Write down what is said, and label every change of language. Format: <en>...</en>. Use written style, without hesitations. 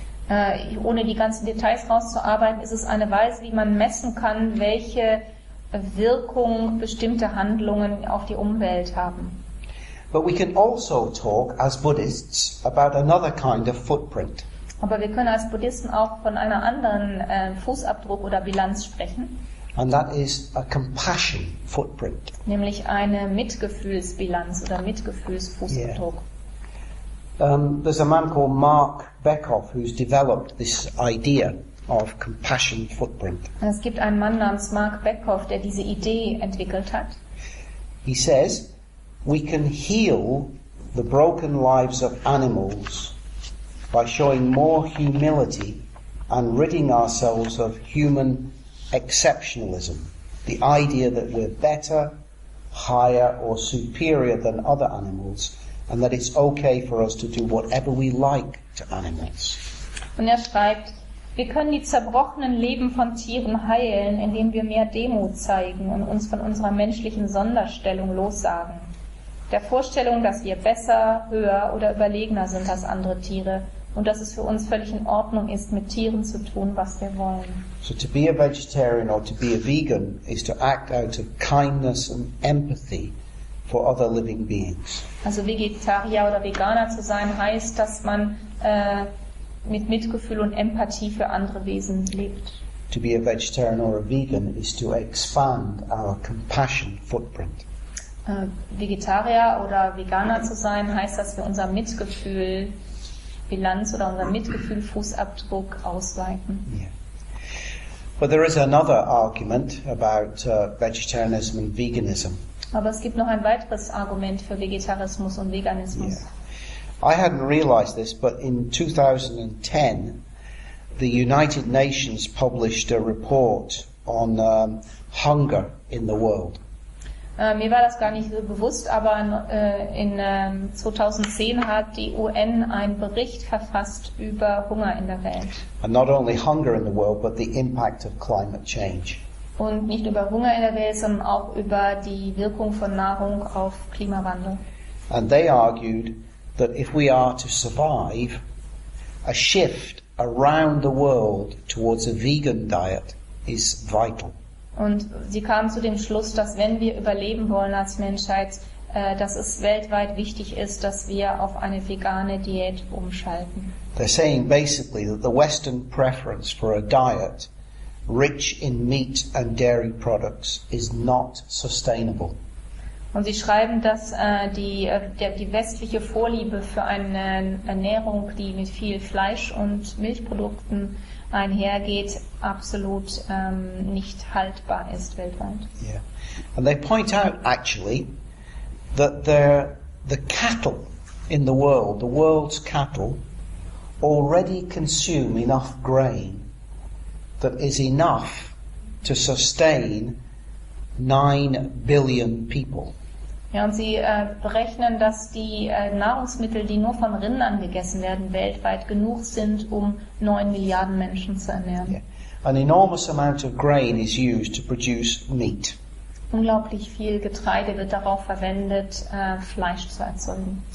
<de>Ohne die ganzen Details rauszuarbeiten, ist es eine Weise, wie man messen kann, welche Wirkung bestimmte Handlungen auf die Umwelt haben.</de> <en>But we can also talk as Buddhists about another kind of footprint.</en> <de>Aber wir können als Buddhisten auch von einer anderen Fußabdruck oder Bilanz sprechen.</de> <en>And that is a compassion footprint.</en> <de>Nämlich eine Mitgefühlsbilanz oder Mitgefühlsfußabdruck.</de> <en>Yeah. There's a man called Mark Beckhoff who's developed this idea of compassion footprint.</en> <de>Es gibt einen Mann namens Mark Beckhoff, der diese Idee entwickelt hat.</de> <en>He says, we can heal the broken lives of animals by showing more humility and ridding ourselves of human exceptionalism, the idea that we're better, higher or superior than other animals and that it's okay for us to do whatever we like to animals.</en> <de>Und er schreibt, wir können die zerbrochenen Leben von Tieren heilen, indem wir mehr Demut zeigen und uns von unserer menschlichen Sonderstellung lossagen. Der Vorstellung, dass wir besser, höher oder überlegener sind als andere Tiere und dass es für uns völlig in Ordnung ist, mit Tieren zu tun, was wir wollen.</de> <en>So to be a vegetarian or to be a vegan is to act out of kindness and empathy for other living beings.</en> <de>Also Vegetarier oder Veganer zu sein heißt, dass man mit Mitgefühl und Empathie für andere Wesen lebt.</de> <en>To be a vegetarian or a vegan is to expand our compassion footprint.</en> <de>Vegetarier oder Veganer zu sein heißt, dass wir unser Mitgefühl Bilanz oder unser Mitgefühl Fußabdruck ausweiten.</de> <en>Yeah. But there is another argument about vegetarianism and veganism.</en> <de>Aber es gibt noch ein weiteres Argument für Vegetarismus und Veganismus.</de> <en>Yeah. I hadn't realized this, but in 2010 the United Nations published a report on hunger in the world.</en> <de>Mir war das gar nicht so bewusst, aber in 2010 hat die UN einen Bericht verfasst über Hunger in der Welt.</de> <en>And not only hunger in the world, but the impact of climate change.</en> <de>Und nicht über Hunger in der Welt, sondern auch über die Wirkung von Nahrung auf Klimawandel.</de> <en>And they argued that if we are to survive, a shift around the world towards a vegan diet is vital.</en> <de>Und sie kamen zu dem Schluss, dass wenn wir überleben wollen als Menschheit, dass es weltweit wichtig ist, dass wir auf eine vegane Diät umschalten.</de> <en>They're saying basically that the Western preference for a diet rich in meat and dairy products is not sustainable.</en> <de>Und sie schreiben, dass die westliche Vorliebe für eine Ernährung, die mit viel Fleisch und Milchprodukten einhergeht, absolut nicht haltbar ist weltweit.</de> <en>Yeah. And they point out actually that the cattle in the world's cattle already consume enough grain that is enough to sustain 9 billion people.</en> <de>Ja, und sie berechnen, dass die Nahrungsmittel, die nur von Rindern gegessen werden, weltweit genug sind, um 9 Milliarden Menschen zu ernähren.</de> <en>Yeah. An enormous amount of grain is used to produce meat.</en> <de>Unglaublich viel Getreide wird darauf verwendet, Fleisch zu erzeugen.</de>